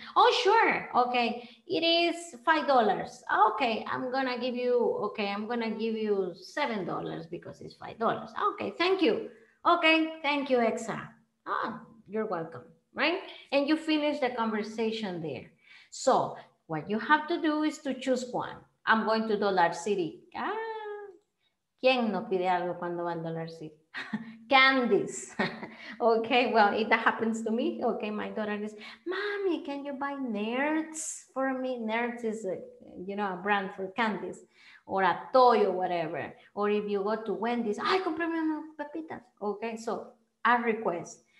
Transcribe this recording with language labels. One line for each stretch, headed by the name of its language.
English: Oh, sure, okay. It is $5. Okay, I'm gonna give you $7 because it's $5. Okay, thank you. Okay, thank you, Exa. Oh, you're welcome, right? And you finish the conversation there. So, what you have to do is to choose one. I'm going to Dollar City.
Spanish: Ah, ¿quién no pide algo cuando va al Dollar City?
English: Candies. Okay, well, if that happens to me, okay, my daughter is, mommy, can you buy Nerds for me? Nerds is a brand for candies or a toy or whatever. Or if you go to Wendy's,
Spanish: ay, cómprame una pepita.
English: Okay, so a request.